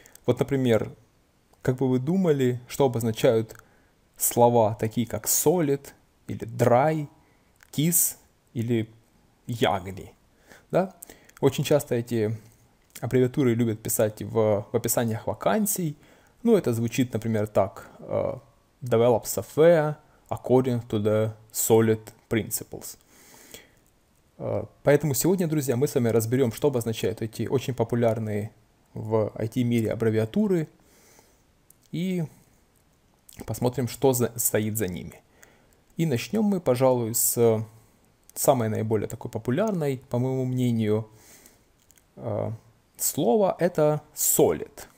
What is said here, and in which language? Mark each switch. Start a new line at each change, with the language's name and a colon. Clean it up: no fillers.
Russian: Вот, например, как бы вы думали, что обозначают слова такие как solid, или dry, kiss, или ugly? Да? Очень часто эти аббревиатуры любят писать в описаниях вакансий. Ну, это звучит, например, так:
English: develop software according to the solid principles.
Russian: Поэтому сегодня, друзья, мы с вами разберем, что обозначают эти очень популярные в IT-мире аббревиатуры, и посмотрим, что стоит за ними. И начнем мы, пожалуй, с самой наиболее такой популярной, по моему мнению, слова — это solid.